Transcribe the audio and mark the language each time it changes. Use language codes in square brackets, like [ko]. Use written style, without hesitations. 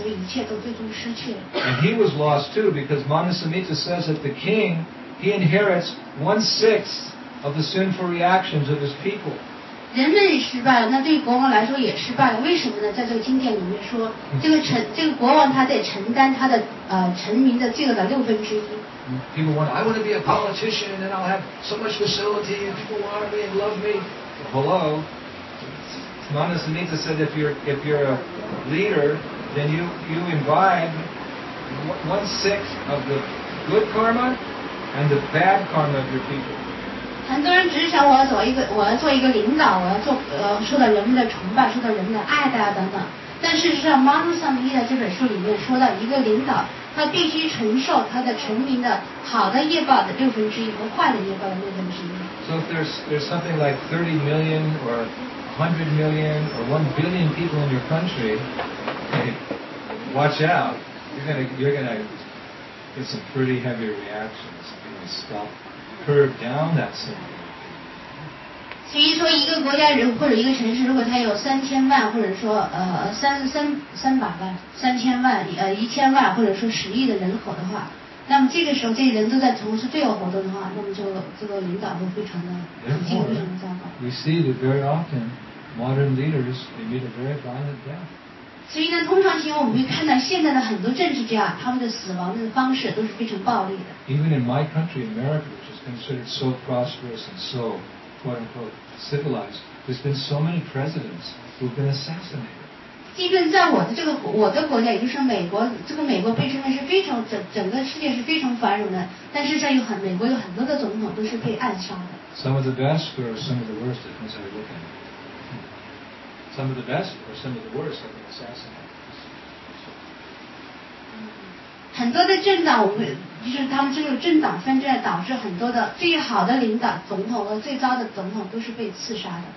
[en] And he was lost too, because Manasamhita says that the king, he inherits 1/6 of the sinful reactions of his people. [zh] 人类失败了，那对于国王来说也失败了。为什么呢？在这个经典里面说，这个国王他得承担他的臣民的罪恶的六分之一。 [en] People want, I want to be a politician and I'll have so much facility and people will honor me and love me. Hello. Manasamhita said if you're a leader, then you imbibe 1/6 of the good karma and the bad karma of your people. [zh] 很多人只是想我要做一个领导，我要做受到人们的崇拜，受到人们的爱戴等等。但事实上 ，Manasamhita 这本书里面说到，一个领导他必须承受他的臣民的好的业报的六分之一和坏的业报的六分之一。 [en] So if there's something like 30 million or 100 million or 1 billion people in your country, watch out. You're gonna get some pretty heavy reactions. You're gonna stop, curve down that sin. [zh] 所以说，一个国家人或者一个城市，如果它有3000万，或者说1000万或者说10亿的人口的话，那么这个时候这些人都在从事罪恶活动的话，那么就这个领导会非常的糟糕。 [en] We see that very often. Modern leaders, they meet a very violent death. [zh] 所以呢，通常情况我们会看到现在的很多政治家，他们的死亡的方式都是非常暴力的。 [en] Even in my country, America, which is considered so prosperous and so quote unquote civilized, there's been so many presidents who've been assassinated. [zh] 即便在我的国家，也就是美国，这个美国被称为是非常整个世界是非常繁荣的，但是在美国有很多的总统都是被暗杀的。 [en] Some of the best or some of the worst, depends how you look at it. Some of the best or some of the worst have been assassinated. [zh] 很多的政党，就是他们这个政党纷争，导致很多的最好的领导、总统和最糟的总统都是被刺杀的。